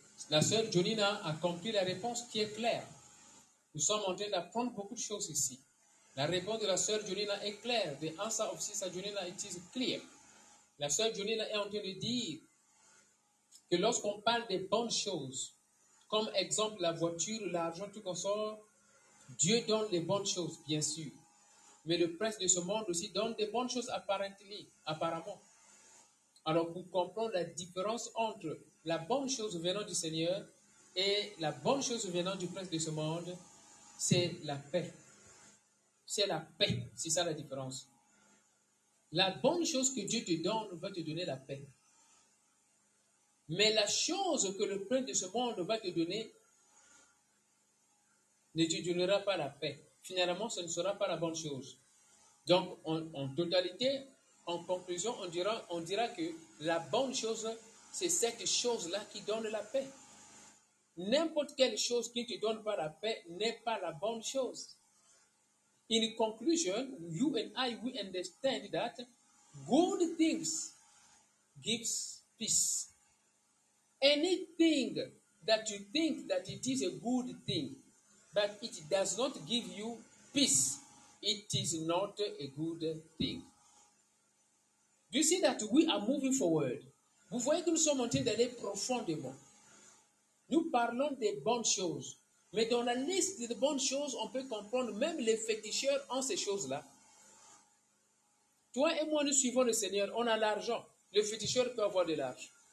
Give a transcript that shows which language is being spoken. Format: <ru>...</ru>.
<fr>La sœur Jonina a compris la réponse qui est claire. Nous sommes en train d'apprendre beaucoup de choses ici. La réponse de la sœur Jonina est claire.</fr> <en>The answer of Sister Jonina, it is clear.</en> <fr>La sœur Jonina est en train de dire que lorsqu'on parle des bonnes choses, comme exemple la voiture, l'argent, tout comme ça, Dieu donne les bonnes choses, bien sûr. Mais le prince de ce monde aussi donne des bonnes choses apparemment. Alors, pour comprendre la différence entre la bonne chose venant du Seigneur et la bonne chose venant du prince de ce monde, c'est la paix. C'est la paix, c'est ça la différence. La bonne chose que Dieu te donne va te donner la paix. Mais la chose que le prince de ce monde va te donner ne te donnera pas la paix. Finalement, ce ne sera pas la bonne chose. Donc, en totalité, en conclusion, on dira que la bonne chose, c'est cette chose-là qui donne la paix. N'importe quelle chose qui ne te donne pas la paix n'est pas la bonne chose.</fr> <en>In conclusion, you and I, we understand that good things gives peace. Anything that you think that it is a good thing, but it does not give you peace, it is not a good thing. Do you see that we are moving forward?</en> <fr>Vous voyez que nous sommes en train d'aller profondément. Nous parlons des bonnes choses. Mais dans la liste des bonnes choses, on peut comprendre même les féticheurs en ces choses-là. Toi et moi, nous suivons le Seigneur, on a l'argent. Le féticheur peut avoir de l'argent.</fr>